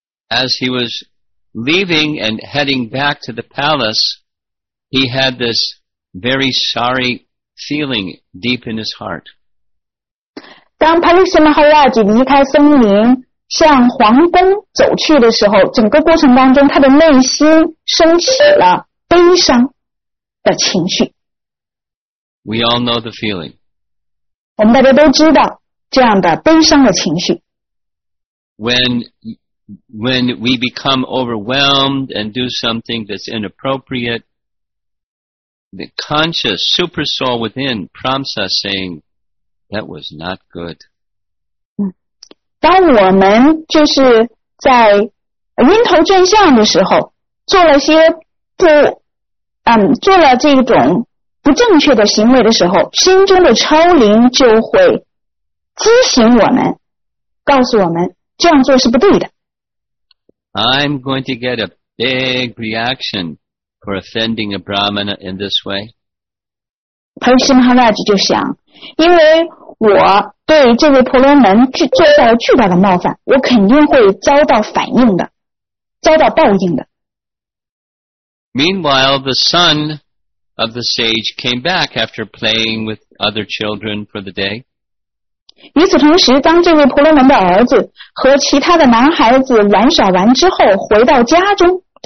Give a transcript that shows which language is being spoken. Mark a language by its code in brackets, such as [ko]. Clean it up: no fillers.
[en] As he was leaving and heading back to the palace, he had this very sorry feeling deep in his heart. [zh] 当 Parikshit Maharaj 离开森林向皇宫走去的时候，整个过程当中他的内心升起了悲伤的情绪。 [en] We all know the feeling. [zh] 我们大家都知道这样的悲伤的情绪。 [en] When we become overwhelmed and do something that's inappropriate, the conscious super soul within prompts us saying, that was not good. [zh] 当我们就是在晕头转向的时候做了这种不正确的行为的时候，心中的超灵就会激醒我们，告诉我们这样做是不对的。 [en] I'm going to get a big reaction for offending a Brahmana in this way. [zh] Parikshit Maharaj 就想，因为我对这位婆罗门做了巨大的冒犯，我肯定会遭到反应的，遭到报应的。 [en] Meanwhile, the son of the sage came back after playing with other children for the day. [zh] 与此同时，当这位婆罗门的儿子和其他的男孩子玩耍完之后，回到了家中。